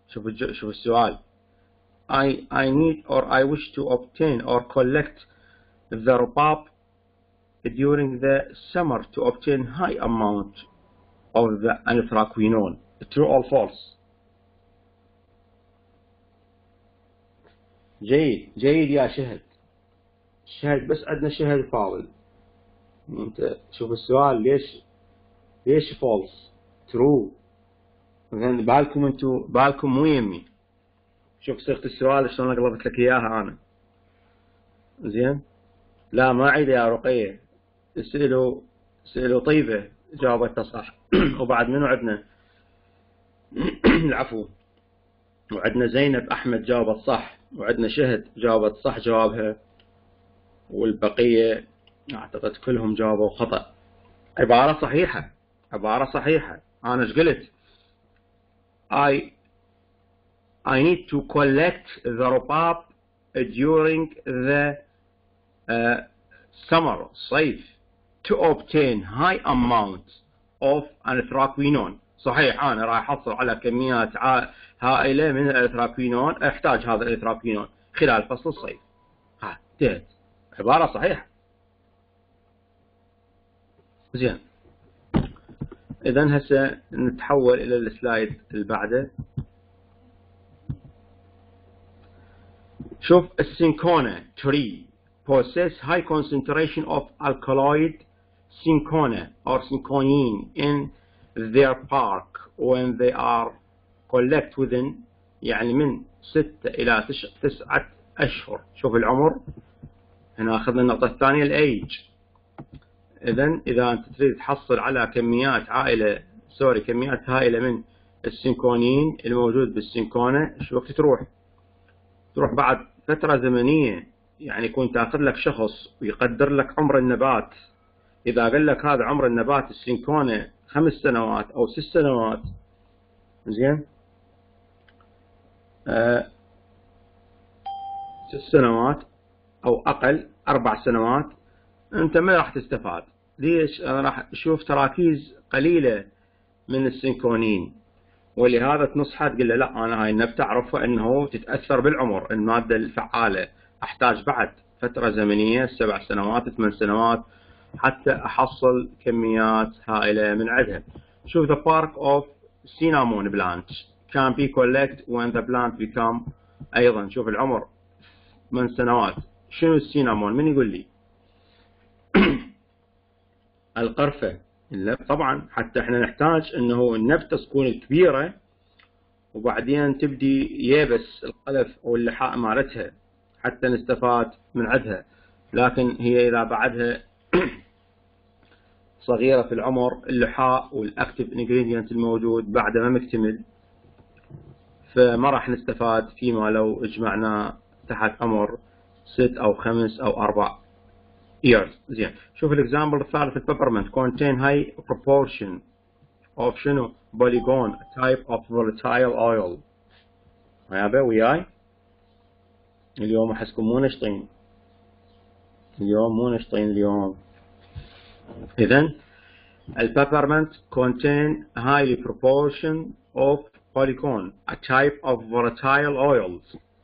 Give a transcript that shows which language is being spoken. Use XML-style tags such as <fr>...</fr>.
<ar>شوف شوف السؤال،</ar> <en>I need or I wish to obtain or collect the rhubarb during the summer to obtain high amount of the anthraquinone. True or false؟</en> <ar>جيد جيد يا شهد، شهد بس عندنا شهد فاضل. انت شوف السؤال، ليش false true؟ بالكم انتو، بالكم مو يمي. شوف صيغة السؤال شلون قلبت لك اياها انا. زين، لا ما عيد يا رقيه، اسئله اسئله طيبه جاوبتها صح. وبعد منو عندنا؟ العفو، وعندنا زينب احمد جاوبت صح، وعندنا شهد جاوبت صح جوابها، والبقية أعتقد كلهم جاوبوا خطأ. عبارة صحيحة، عبارة صحيحة. أنا إيش قلت؟</ar> <en>I need to collect the rhubarb during the summer صيف to obtain high amount of anthraquinone.</en> <ar>صحيح، أنا راح أحصل على كميات هائلة من الأنثراكوينون، أحتاج هذا الأنثراكوينون خلال فصل الصيف. ها انتهت، عبارة صحيحة. زين، إذن هسه نتحول إلى السلايد اللي بعده. شوف السنكونة تري</ar> <en>possess high concentration of alkaloid cinchona or cinchonine in their bark when they are collected within</en> <ar>يعني من 6 إلى 9 أشهر. شوف العمر، هنا أخذنا النقطة الثانية الـ age. إذا أنت تريد تحصل على كميات عائلة سوري كميات هائلة من السنكونين الموجود بالسنكونة، شو وقت تروح؟ تروح بعد فترة زمنية، يعني يكون تأخذ لك شخص ويقدر لك عمر النبات. إذا قال لك هذا عمر النبات السنكونة 5 سنوات أو 6 سنوات، زين 6 سنوات أو أقل 4 سنوات، أنت ما راح تستفاد. ليش؟ أنا راح أشوف تراكيز قليلة من السنكونين، ولهذا تنصحه تقول له لا، أنا هاي النبتة أعرفها أنه تتأثر بالعمر، المادة الفعالة أحتاج بعد فترة زمنية 7 سنوات 8 سنوات حتى احصل كميات هائله من عندها.</ar> <en>شوف the bark of cinnamon plant can be collected when the plant become،</en> <ar>ايضا شوف العمر 8 سنوات. شنو السينامون؟ من يقول لي؟ القرفه. لا طبعا، حتى احنا نحتاج انه النبته تكون كبيره وبعدين تبدي يابس القلف او اللحاء مالتها حتى نستفاد من عندها، لكن هي اذا بعدها صغيرة في العمر اللحاء والاكتف انجريدينت الموجود بعد ما مكتمل، فما راح نستفاد فيما لو اجمعنا تحت عمر 6 أو 5 أو 4 years. زين، شوف الاكزامبل الثالث.</ar> <en>البيبرمنت contain high proportion of شنو؟ Polygon type of volatile oil.</en> <ar>هيابا وياي اليوم احسكم مو نشطين، اليوم مو نشطين اليوم.</ar> <en>إذن البابرمنت contain highly proportion of polygon a type of volatile oils.</en>